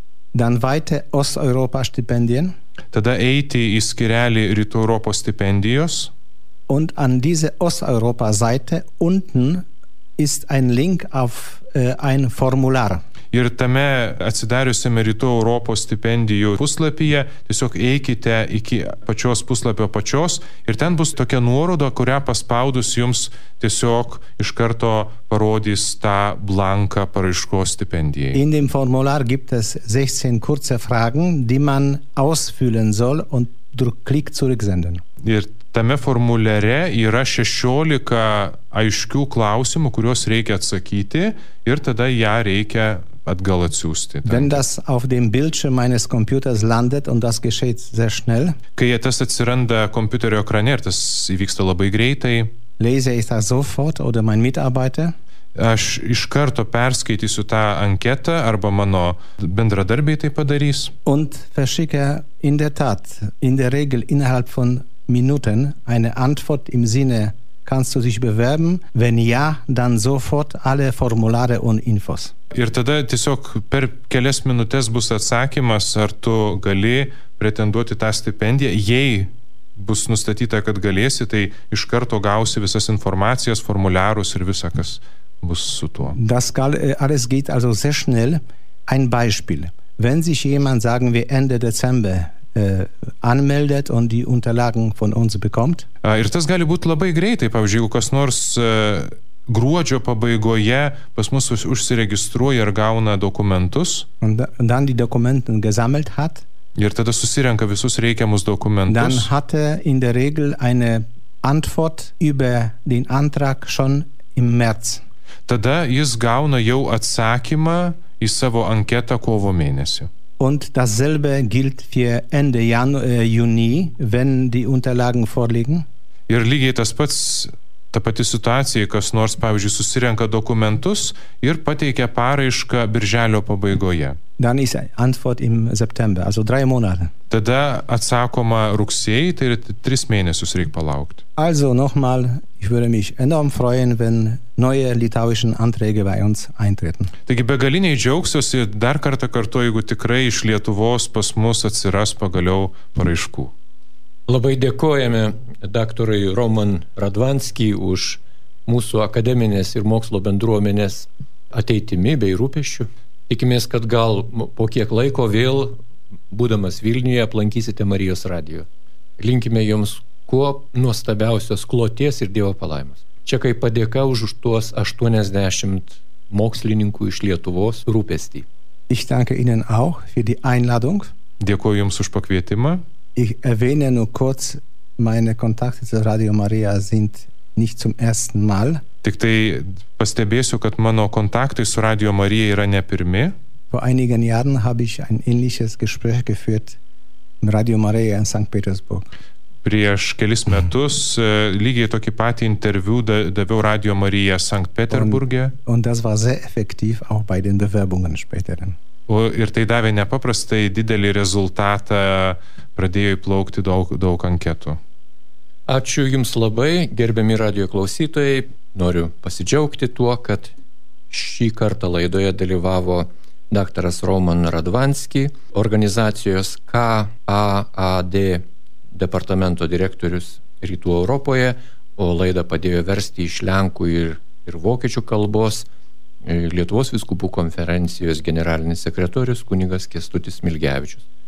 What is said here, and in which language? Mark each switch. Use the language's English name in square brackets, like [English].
[German] Dann weiter Osteuropa Stipendien. [Lithuanian] Tada eiti į skirelį Rytų Europos stipendijos. [German] Und an diese Osteuropa Seite unten ist ein Link auf ein Formular. [Lithuanian] Ir tame atsidariusiame Rytų Europos stipendijų puslapyje tiesiog eikite iki pačios puslapio apačios ir ten bus tokia nuoroda, kurią paspaudus jums tiesiog iš karto parodys tą blanką paraiškos stipendijai. [German] In dem Formular gibt es 16 kurze Fragen, die man ausfüllen soll und durch Klick zurücksenden. [Lithuanian] Ir tame formulere yra 16 aiškių klausimų, kuriuos reikia atsakyti ir tada ją reikia atgal atsiųsti. [German] Wenn das auf dem Bildschirm meines Computers landet und das geschieht sehr schnell. [Lithuanian] Kai tas atsiranda kompiuterio ekrane ir tas įvyksta labai greitai. [German] Lese ich das sofort oder mein Mitarbeiter? [Lithuanian] Aš iš karto perskaitysiu tą anketą arba mano bendradarbiai tai padarys. [German] Und verschicke in der Tat, in der Regel innerhalb von Minuten eine Antwort im Sinne kannst du dich bewerben, wenn ja, dann sofort alle Formulare und Infos. [Lithuanian] Ir tada tiesiog per kelias minutes bus atsakymas, ar tu gali pretenduoti tą stipendiją. Jei bus nustatyta, kad galėsi, tai iš karto gausi visas informacijas, formuliarus ir visa, kas bus su tuo. [German] Das alles geht also sehr schnell. Ein Beispiel. Wenn sich jemand, sagen wir Ende Dezember, anmeldet und die Unterlagen von uns bekommt. [Lithuanian] Ir tas gali būti labai greitai, pavyzdžiui, jeigu kas nors gruodžio pabaigoje pas mus užsiregistruoja ir gauna dokumentus. [German] Und dann die Dokumenten gesammelt hat. [Lithuanian] Ir tada susirenka visus reikiamus dokumentus. [German] Dann hatte in der Regel eine Antwort über den Antrag schon im März. [Lithuanian] Tada jis gauna jau atsakymą į savo anketą kovo mėnesį. [German] Und dasselbe gilt für Ende Juni, wenn die Unterlagen vorliegen. [Lithuanian] Ir lygiai tas pats, ta pati situacija, kas nors, pavyzdžiui, susirenka dokumentus ir pateikia paraišką birželio pabaigoje. [German] Dann ist Antwort im September, also 3 Monate. [Lithuanian] Tada atsakoma rugsėjį, tai yra 3 mėnesius reik palaukti. [German] Also nochmal, ich würde mich enorm freuen, wenn neue litauischen Anträge bei uns eintreten. [Lithuanian] Taigi begaliniai džiaugsiuosi dar kartą kartu, jeigu tikrai iš Lietuvos pas mus atsiras pagaliau paraiškų. Labai dėkojame daktarui Roman Radvanskiui už mūsų akademinės ir mokslo bendruomenės ateitimi bei rūpešių. Tikimės, kad gal po kiek laiko vėl, būdamas Vilniuje, aplankysite Marijos radiją. Linkime jums kuo nuostabiausios kloties ir Dievo palaimos. Čia kaip padėka už tuos 80 mokslininkų iš Lietuvos rūpestį. [German] Ich danke Ihnen auch für die Einladung. [Lithuanian] Dėkoju Jums už pakvietimą. [German] Ich erwähne nur kurz, meine Kontakte zu Radio Maria sind nicht zum ersten Mal. [Lithuanian] Tik tai pastebėsiu, kad mano kontaktai su Radio Marija yra ne pirmi. [German] Vor einigen Jahren habe ich ein ähnliches Gespräch geführt mit Radio Maria in St. Petersburg. [Lithuanian] Prieš kelis metus lygiai tokį patį interviu daviau Radio Marija St. Petersburge. [German] Und das war sehr effektiv auch bei den Bewerbungen späteren. [Lithuanian] Ir tai davė nepaprastai didelį rezultatą, pradėjo įplaukti daug anketų. Ačiū Jums labai, gerbiami radio klausytojai. Noriu pasidžiaugti tuo, kad šį kartą laidoje dalyvavo daktaras Roman Radvanski, organizacijos KAAD departamento direktorius Rytų Europoje, o laidą padėjo versti iš lenkų ir vokiečių kalbos Lietuvos viskupų konferencijos generalinis sekretorius kunigas Kęstutis Smilgevičius.